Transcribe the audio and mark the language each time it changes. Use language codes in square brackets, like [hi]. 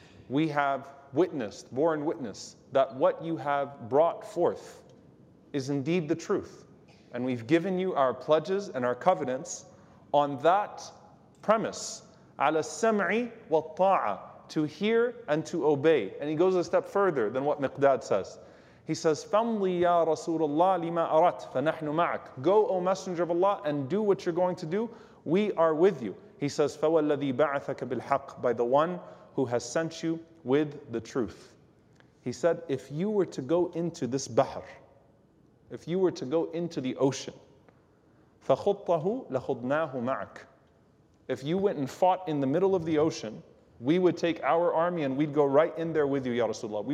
[en] We have witnessed, borne witness, that what you have brought forth is indeed the truth. And we've given you our pledges and our covenants on that premise. [ar] عَلَى السَّمْعِ وَالطَّاعَ, [en] to hear and to obey. And he goes a step further than what Miqdad says. He says, [ar] فَمْضِ يَا رَسُولَ اللَّهِ لِمَا أَرَتْ فَنَحْنُ مَعَكْ. [en] Go, O Messenger of Allah, and do what you're going to do. We are with you. He says, [ar] فَوَالَّذِي بَعَثَكَ بِالْحَقِّ, [en] by the one who has sent you with the truth. He said, if you were to go into this bahr, if you were to go into the ocean, [ar] فَخُطَّهُ لَخُضْنَاهُ مَعَكْ, [en] if you went and fought in the middle of the ocean, we would take our army and we'd go right in there with you, Ya Rasulullah.